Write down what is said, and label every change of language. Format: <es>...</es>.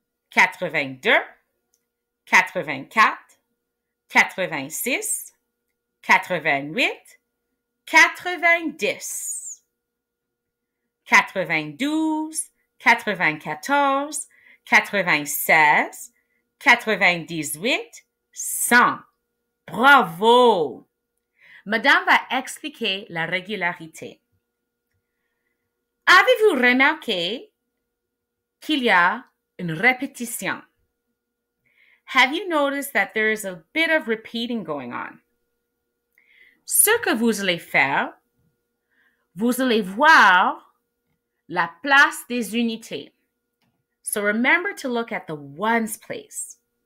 <fr>92, 94, 96, 98, 100. Bravo! Madame va expliquer la régularité. Avez-vous remarqué qu'il y a une répétition?</fr> <en>Have you noticed that there is a bit of repeating going on?</en> <fr>Ce que vous allez faire, vous allez voir la place des unités.</fr> <en>So remember to look at the ones place.</en>